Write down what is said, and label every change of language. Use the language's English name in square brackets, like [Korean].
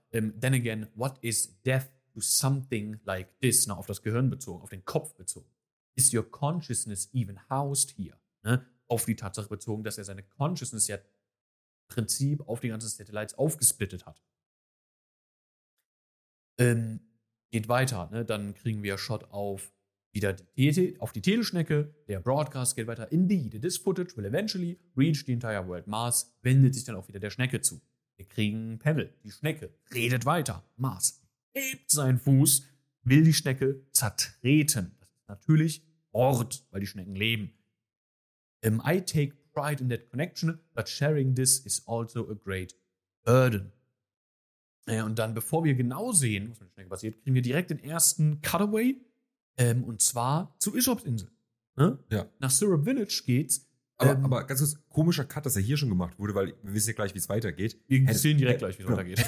[English] Then again, what is death to something like this? [German] Na, auf das Gehirn bezogen, auf den Kopf bezogen. [English] Is your consciousness even housed here? [German] Ne? Auf die Tatsache bezogen, dass er seine Consciousness ja im Prinzip auf die ganzen Satellites aufgesplittet hat. Geht weiter, ne? Dann kriegen wir Shot auf wieder auf die Teleschnecke. Der Broadcast geht weiter. [English] Indeed, this footage will eventually reach the entire world. [German] Mars wendet sich dann auch wieder der Schnecke zu. Wir kriegen Pebble, die Schnecke, redet weiter. Mars hebt seinen Fuß, will die Schnecke zertreten. Das ist natürlich Mord, weil die Schnecken leben. [English] I take pride in that connection, but sharing this is also a great burden. [German] Und dann, bevor wir genau sehen, was mit der Schnecke passiert, kriegen wir direkt den ersten Cutaway, und zwar zu Ishops Insel. Ne? Ja. Nach Syrup Village geht's. Aber ganz kurz, komischer Cut, dass er hier schon gemacht wurde, weil wir wissen ja gleich, wie es weitergeht. Wir sehen direkt gleich, wie es weitergeht.